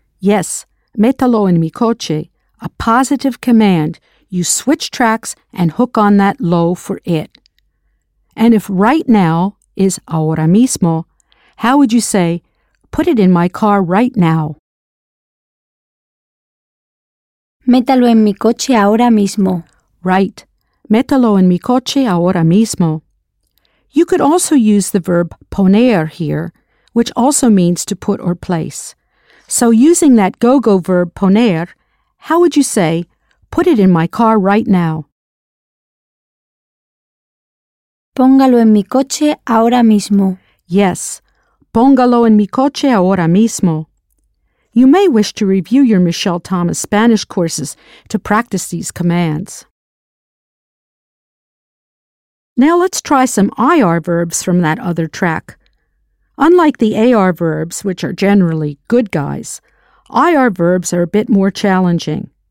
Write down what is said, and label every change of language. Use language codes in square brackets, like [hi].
[es] Yes, métalo en mi coche, [en] a positive command. You switch tracks and hook on that lo for it. And if right now is ahora mismo, how would you say, put it in my car right now? [es] Métalo en mi coche ahora mismo. [en] Right. [es] Métalo en mi coche ahora mismo. [en] You could also use the verb poner here, which also means to put or place. So using that go-go verb poner, how would you say, put it in my car right now? [es] Póngalo en mi coche ahora mismo. [en] Yes. [es] Póngalo en mi coche ahora mismo. [en] You may wish to review your Michelle Thomas Spanish courses to practice these commands. Now let's try some IR verbs from that other track. Unlike the AR verbs, which are generally good guys, IR verbs are a bit more challenging.